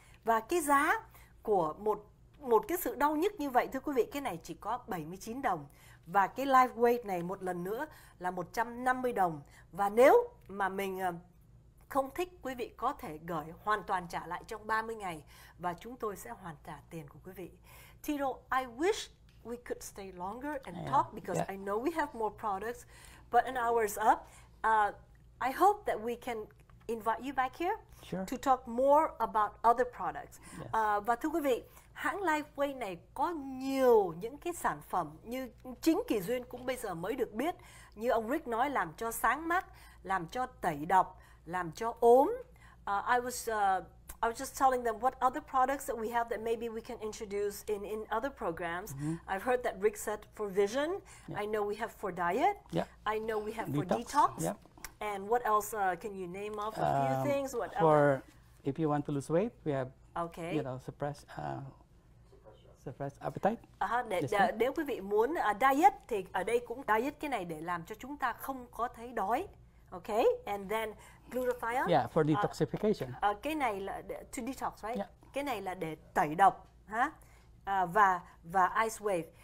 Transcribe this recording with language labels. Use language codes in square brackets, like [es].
[vi] Và cái giá của một cái sự đau nhức như vậy, thưa quý vị, cái này chỉ có 79 đồng. Và cái live weight này một lần nữa là 150 đồng. Và nếu mà mình không thích, quý vị có thể gửi hoàn toàn trả lại trong 30 ngày. Và chúng tôi sẽ hoàn trả tiền của quý vị. [en] Tito, I wish we could stay longer and talk because I know we have more products, but an hour's up. I hope that we can invite you back here to talk more about other products. Yes. [vi] Và thưa quý vị, hãng LifeWay này có nhiều những cái sản phẩm như chính Kỳ Duyên cũng bây giờ mới được biết. Như ông Rick nói, làm cho sáng mắt, làm cho tẩy độc, làm cho ốm. [en] I was just telling them what other products that we have that maybe we can introduce in other programs. Mm-hmm. I've heard that Rick said for vision. Yeah. I know we have for diet. Yeah. I know we have detox. For detox. Yeah. And what else can you name off a few things? What for other? If you want to lose weight, we have okay. You know, suppress appetite. [vi] Nếu quý vị muốn diet thì ở đây cũng diet cái này để làm cho chúng ta không có thấy đói. [en] Okay, and then glutathione. Yeah, for detoxification. [vi] Cái này là [en] to detox, right? Yeah. [vi] Cái này là để tẩy độc, ha? Và ice wave.